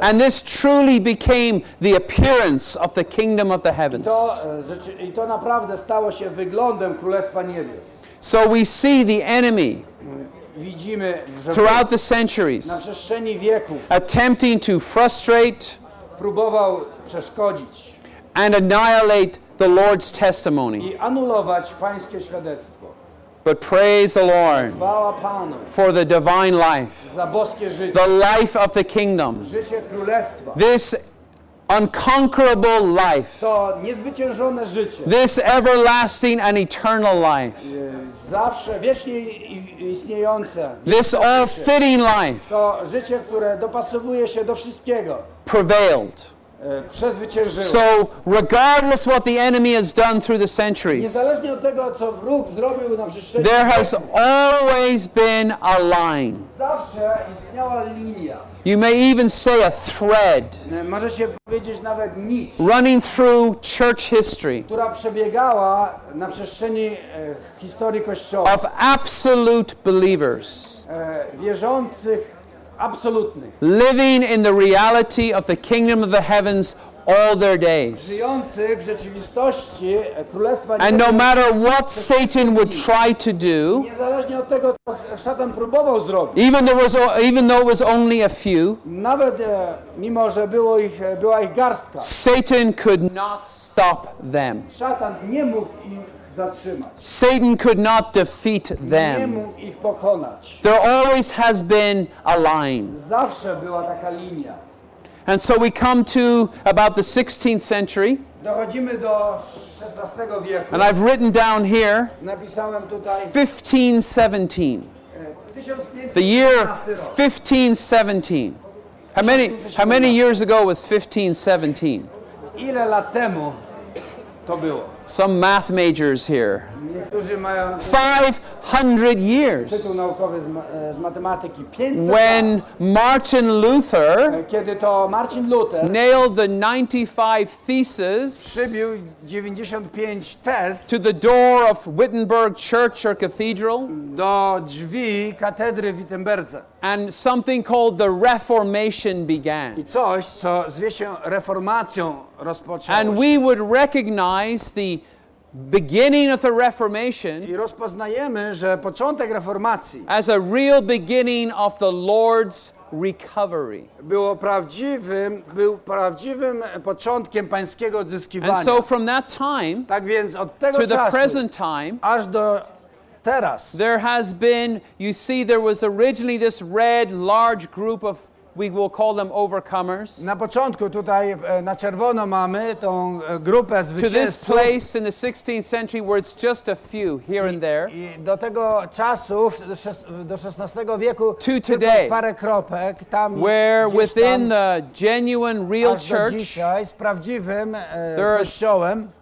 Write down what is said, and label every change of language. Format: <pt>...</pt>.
<en>And this truly became the appearance of the kingdom of the heavens.</en> <pl>I to naprawdę stało się wyglądem królestwa niebios.</pl> <en>So we see the enemy.</en> <pl>Widzimy, że</pl> <en>throughout the centuries,</en> <pl>na przestrzeni wieków,</pl> <en>attempting to frustrate,</en> <pl>próbował przeszkodzić,</pl> <en>and annihilate the Lord's testimony,</en> <pl>i anulować pańskie świadectwo.</pl> <en>But praise the Lord,</en> <pl>chwała Panu,</pl> <en>for the divine life,</en> <pl>za boskie życie,</pl> <en>the life of the kingdom.</en> <pl>Życie królestwa.</pl> <en>This unconquerable life.</en> <pl>To niezwyciężone życie.</pl> <en>This everlasting and eternal life.</en> <pl>Zawsze wiecznie istniejące.</pl> <en>This all-fitting life.</en> <pl>To życie, które dopasowuje się do wszystkiego.</pl> <en>Prevailed. So, regardless what the enemy has done through the centuries,</en> <pl>niezależnie od tego, co wróg zrobił na przestrzeni,</pl> <en>there has always been a line.</en> <pl>Zawsze istniała linia.</pl> <en>You may even say a thread.</en> <pl>Możecie powiedzieć nawet nić.</pl> <en>Running through church history.</en> <pl>Która przebiegała na przestrzeni historii Kościoła.</pl> <en>Of absolute believers.</en> <pl>Wierzących.</pl> <en>Absolutely. Living in the reality of the kingdom of the heavens all their days.</en> <pl>Żyjący w rzeczywistości królestwa niebieskiego.</pl> <en>And no matter what Satan would try to do,</en> <pl>niezależnie od tego, co szatan próbował zrobić,</pl> <en>even though it was only a few,</en> <pl>nawet mimo że była ich garstka,</pl> <en>Satan could not stop them.</en> <pl>Szatan nie mógł im</pl> <en>Satan could not defeat them.</en> <pl>Nie mógł ich pokonać.</pl> <en>There always has been a line.</en> <pl>Zawsze była taka linia.</pl> <en>And so we come to about the 16th century.</en> <pl>Dochodzimy do XVI wieku.</pl> <en>And I've written down here,</en> <pl>napisałem tutaj,</pl> <en>1517.</en> <pl>1517.</pl> <en>The year 1517. How many years ago was 1517?</en> <pl>Ile lat temu to było?</pl> <en>Some math majors here. 500 years.</en> <pl>Tytuł naukowy z matematyki. 500.</pl> <en>When Martin Luther,</en> <pl>kiedy to Martin Luther</pl> <en>nailed the 95 theses,</en> <pl>przybił 95 tez</pl> <en>to the door of Wittenberg Church or Cathedral,</en> <pl>do drzwi katedry w Wittenberdze.</pl> <en>And something called the Reformation began.</en> <pl>I coś, co zwie się reformacją, rozpoczęło się.</pl> <en>And we would recognize the beginning of the Reformation.</en> <pl>I rozpoznajemy, że początek reformacji</pl> <en>as a real beginning of the Lord's recovery.</en> <pl>Był prawdziwym początkiem pańskiego odzyskiwania.</pl> <en>And so from that time,</en> <pl>tak więc od tego</pl> <en>to</en> <pl>czasu,</pl> <en>the present time,</en> <pl>aż do teraz,</pl> <en>there has been, you see, there was originally this red, large group of, we will call them overcomers.</en> <pl>Na początku tutaj na czerwono mamy tą grupę zwycięzców.</pl> <en>To this place in the 16th century where it's just a few here and there.</en> <pl>I do tego czasu do XVI wieku</pl> <en>to today,</en> <pl>parę kropek tam</pl> <en>where within the genuine real church</en> <pl>dzisiaj, z prawdziwym kościołem</pl>